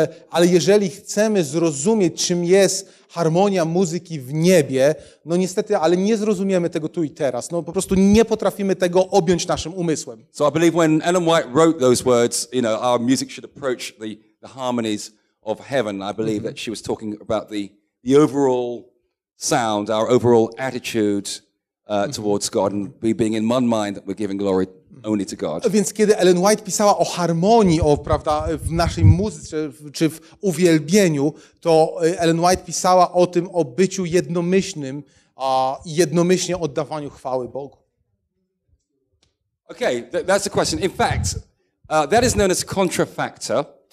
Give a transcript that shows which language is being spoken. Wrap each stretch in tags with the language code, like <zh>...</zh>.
<pl>Ale jeżeli chcemy zrozumieć, czym jest harmonia muzyki w niebie, no niestety, ale nie zrozumiemy tego tu i teraz. No po prostu nie potrafimy tego objąć naszym umysłem.</pl> <en>So I believe when Ellen White wrote those words, you know, our music should approach the harmonies of heaven. I believe that she was talking about the overall sound, our overall attitude towards God, and we being in one mind that we're giving glory only to God.</en> <pl>Więc kiedy Ellen White pisała o harmonii, o prawda, w naszej muzyce czy w uwielbieniu, to Ellen White pisała o tym, o byciu jednomyślnym, a jednomyślnie oddawaniu chwały Bogu.</pl> <en>Okay, that's a question. In fact, that is known as contrafactor.</en>